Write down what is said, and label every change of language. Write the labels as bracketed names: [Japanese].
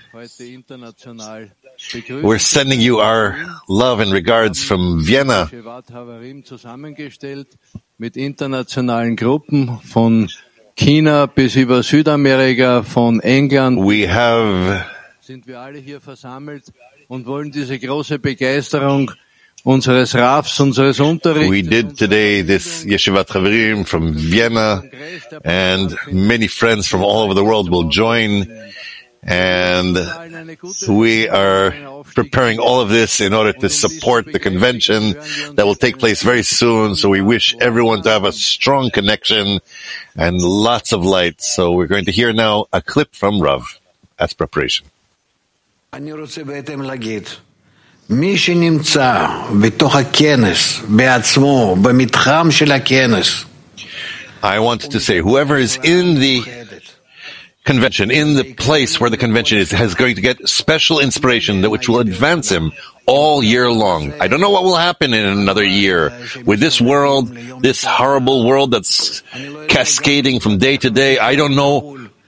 [English] We're sending you our love and regards from Vienna. [German] Zusammengestellt mit internationalen Gruppen von China bis über Südamerika, von England. [English] We have. [German] Sind wir alle hier versammelt und wollen diese große Begeisterung unseres Rafs, unseres Unterrichts. [English] We did today this Yeshivat Haverim from Vienna, and many friends from all over the world will join, and we are preparing all of this in order to support the convention that will take place very soon. So we wish everyone to have a strong connection and lots of light. So we're going to hear now a clip from Rav as preparation. [Hebrew] אני רוצה בעצם להגיד, מי שנמצא בתוך הכנס, בעצמו, במתחם של הכנס. [English] I want to say, whoever is in the convention, in the place where the convention is, is going to get special inspiration that which will advance him all year long. I don't know what will happen in another year with this world, this horrible world that's cascading from day to day. I don't know.